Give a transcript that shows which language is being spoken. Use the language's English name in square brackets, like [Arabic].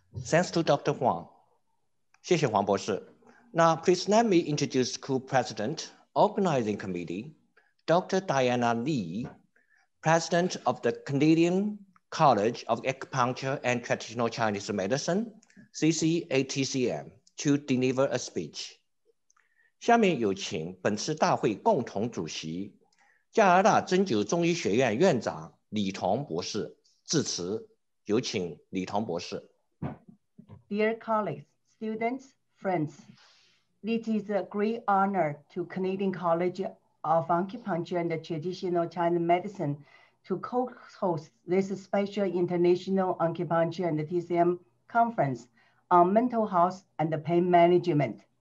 [English] Thanks to Dr. Huang. [Chinese] 谢谢黄博士。 [English] Now, please let me introduce co-president, organizing committee, Dr. Diana Lee, president of the Canadian College of Acupuncture and Traditional Chinese Medicine, CCATCM, to deliver a speech. [Chinese] 下面有请本次大会共同主席、加拿大针灸中医学院院长李彤博士致辞。有请李彤博士。 [English] Dear colleagues, students, friends, it is a great honor to Canadian College of Acupuncture and Traditional Chinese Medicine to co-host this special International Acupuncture and TCM Conference on Mental Health and Pain Management.